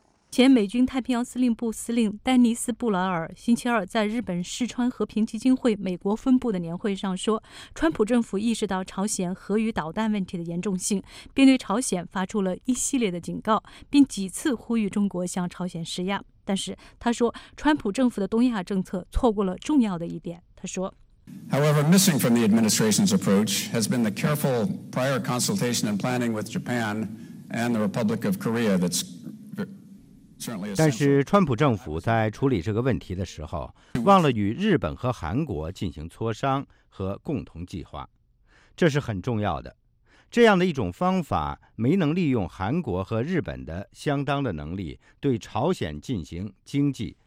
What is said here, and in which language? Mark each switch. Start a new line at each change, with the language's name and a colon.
Chinese: 前美军太平洋司令部司令丹尼斯·布莱尔星期二在日本世川和平基金会美国分部的年会上说，川普政府意识到朝鲜核与导弹问题的严重性，并对朝鲜发出了一系列的警告，并几次呼吁中国向朝鲜施压。但是他说，川普政府的东亚政策错过了重要的一点。他说，
English: However, missing from the administration's approach has been the careful prior consultation and planning with Japan and the Republic of Korea that's
Chinese: 但是川普政府在处理这个问题的时候忘了与日本和韩国进行磋商和共同计划，这是很重要的。这样的一种方法没能利用韩国和日本的相当的能力对朝鲜进行经济、